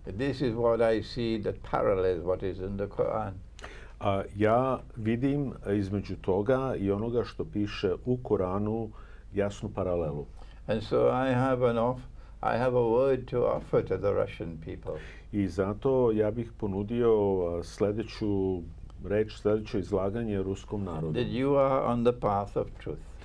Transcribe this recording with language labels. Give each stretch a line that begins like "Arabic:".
English: This is what I see that parallels what is in the Quran.
Serbian: Ja vidim između toga i onoga što piše u Koranu jasnu paralelu.
English: And so I have a word to offer to the Russian people.
Serbian: I zato ja bih ponudio sledeću reč, sledeće izlaganje ruskom narodu.
English: That you are on the path of truth.